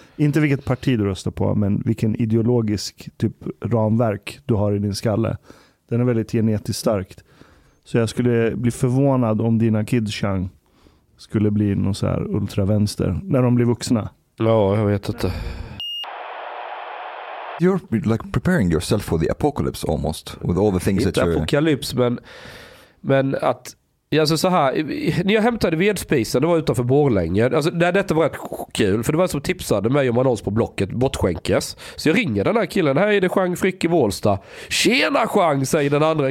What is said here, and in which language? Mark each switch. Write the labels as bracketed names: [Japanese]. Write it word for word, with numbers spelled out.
[Swedish] Inte vilket parti du röstar på, men vilken ideologisk typ ramverk du har i din skalle. Den är väldigt genetiskt starkt. Så jag skulle bli förvånad om dina kids-chang skulle bli någon så här ultravänster när de blir vuxna. Ja, jag vet inte. [English] You're like preparing yourself for the apocalypse almost with all the things [Swedish] inte [English] that you [Swedish] apokalyps, men men att alltså så här, när jag hämtade vedspisen, det var utanför Borlänge. Alltså där, detta var rätt kul, för det var som tipsade mig om annons på Blocket, bortskänkes. Så jag ringer den här killen, här är det Jean Frick i Vålsta. Tjena Jean, säger den andra.